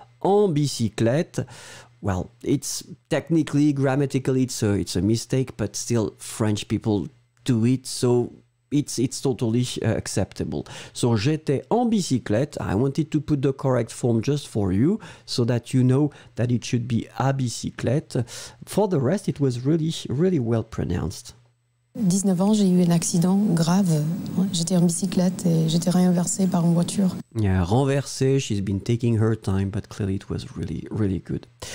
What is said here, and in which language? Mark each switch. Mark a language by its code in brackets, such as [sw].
[en] En bicyclette. Well, it's technically, grammatically, it's a mistake, but still French people do it, so it's totally acceptable. So [fr] j'étais en bicyclette. [en] I wanted to put the correct form just for you, so that you know that it should be à bicyclette. For the rest, it was really, really well pronounced. [fr] 19 ans, j'ai eu un accident grave. J'étais en bicyclette et j'étais renversé par une voiture. [en] Yeah, renversé, she's been taking her time, but clearly it was really, really good.